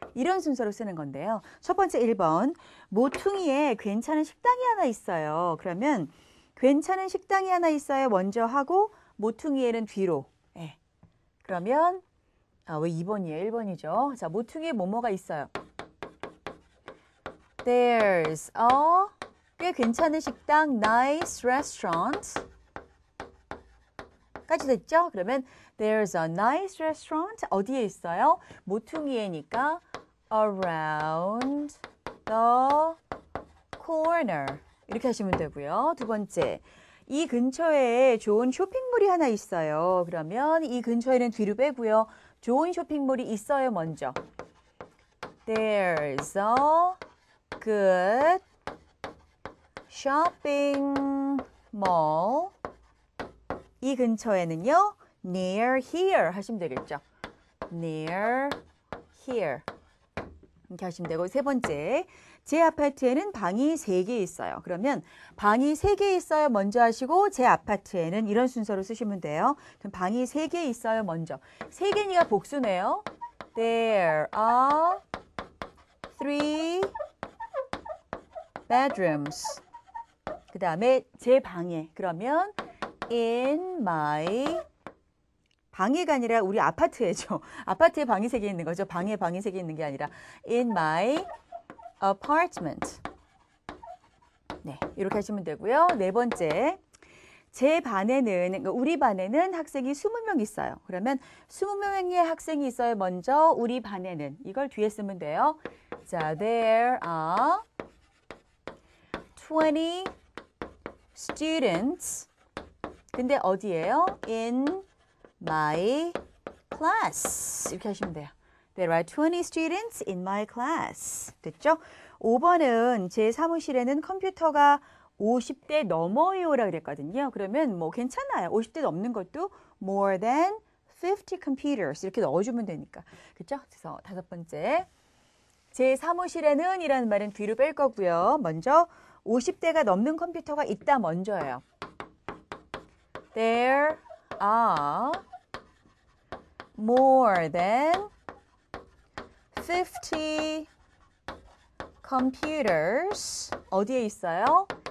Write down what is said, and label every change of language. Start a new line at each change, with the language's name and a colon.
Korean: 이런 순서로 쓰는 건데요. 첫 번째 1번, 모퉁이에 괜찮은 식당이 하나 있어요. 그러면 괜찮은 식당이 하나 있어요. 먼저 하고 모퉁이에는 뒤로. 예. 네. 그러면 아, 왜 2번이에요? 1번이죠. 자, 모퉁이에 뭐뭐가 있어요?
English: There's a
Korean: 꽤 괜찮은 식당,
English: nice restaurant.
Korean: 까지 됐죠?
English: 그러면 there's a nice restaurant
Korean: 어디에 있어요? 모퉁이에니까
English: around the corner
Korean: 이렇게 하시면 되고요. 두 번째, 이 근처에 좋은 쇼핑몰이 하나 있어요. 그러면 이 근처에는 뒤로 빼고요. 좋은 쇼핑몰이 있어요, 먼저.
English: There's a good shopping mall.
Korean: 이 근처에는요,
English: near here
Korean: 하시면 되겠죠.
English: near here.
Korean: 이렇게 하시면 되고, 세 번째. 제 아파트에는 방이 세개 있어요. 그러면 방이 세개 있어요. 먼저 하시고, 제 아파트에는 이런 순서로 쓰시면 돼요. 그럼 방이 세개 있어요. 먼저. 세 개니까 복수네요.
English: There are three bedrooms.
Korean: 그 다음에 제 방에. 그러면,
English: In my
Korean: 방해가 아니라 우리 아파트에죠. 아파트에 방이 세개 있는 거죠. 방에 방이 세개 있는 게 아니라
English: In my apartment.
Korean: 네, 이렇게 하시면 되고요. 네 번째, 제 반에는 우리 반에는 학생이 20명 있어요. 그러면 20명의 학생이 있어요. 먼저 우리 반에는 이걸 뒤에 쓰면 돼요.
English: 자, there are 20 students.
Korean: 근데 어디예요?
English: In my class.
Korean: 이렇게 하시면 돼요.
English: There are 20 students in my class.
Korean: 됐죠? 5번은 제 사무실에는 컴퓨터가 50대 넘어요라 그랬거든요. 그러면 뭐 괜찮아요. 50대 넘는 것도
English: more than 50 computers
Korean: 이렇게 넣어주면 되니까. 그렇죠? 그래서 다섯 번째. 제 사무실에는 이라는 말은 뒤로 뺄 거고요. 먼저 50대가 넘는 컴퓨터가 있다 먼저예요.
English: There are more than 50 computers
Korean: 어디에 있어요?